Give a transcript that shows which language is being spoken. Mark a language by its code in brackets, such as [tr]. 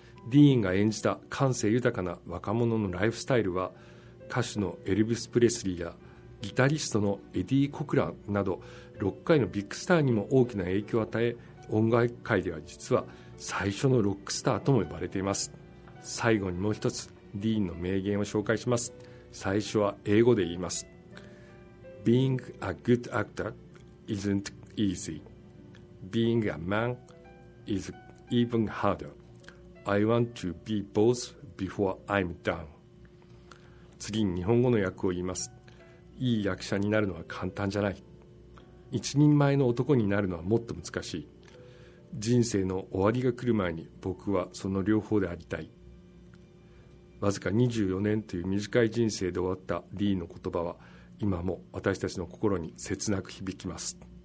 [ja] ディーンが演じた感性豊かな若者のライフスタイルは、歌手のエルヴィス・プレスリーやギタリストのエディ・コクランなど6回のビッグスターにも大きな影響を与え、音楽界では実は最初のロックスターとも呼ばれています。最後にもう一つディーンの名言を紹介します。最初は英語で言います。 [en] Being a good actor isn't easy. Being a man is even harder. I want to be both before I'm done. [ja] 次に日本語の訳を言います。いい役者になるのは簡単じゃない、一人前の男になるのはもっと難しい、人生の終わりが来る前に僕はその両方でありたい。わずか24年という短い人生で終わったディーンの言葉は今も私たちの心に切なく響きます。